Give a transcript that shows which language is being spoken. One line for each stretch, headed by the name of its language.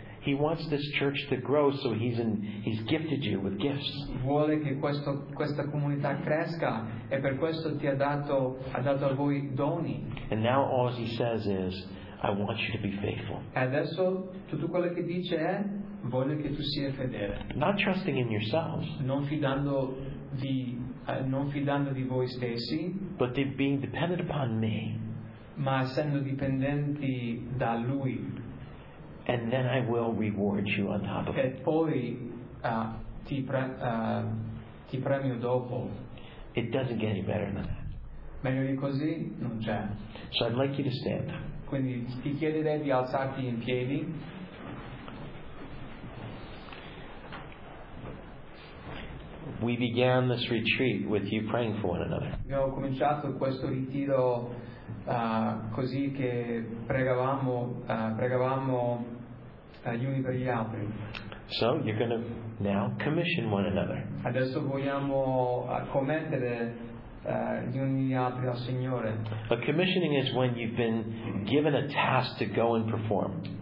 English: He wants this church to grow, so he's gifted you with gifts.
Italian: Vuole che questa comunità cresca e per questo ha dato a voi doni.
English: And now all he says is, I want you to be faithful.
Italian: Adesso tutto quello che dice è voglio che tu sia fedele.
English: Not trusting in yourselves.
Italian: Non fidando di voi stessi.
English: But being dependent upon me.
Italian: Ma essendo dipendenti da lui.
English: And then I will reward you on top of it.
Italian: E poi ti premio dopo.
English: It doesn't get any better than that.
Italian: Meglio di così non c'è.
English: So I'd like you to stand.
Italian: Quindi ti chiederei di alzarti in piedi.
English: We began this retreat with you praying for one another.
Italian: Abbiamo cominciato questo ritiro così che pregavamo gli uni per gli altri.
English: So you're going to now commission one another.
Italian: Adesso vogliamo commettere gli uni gli altri al Signore.
English: A commissioning is when you've been given a task to go and perform.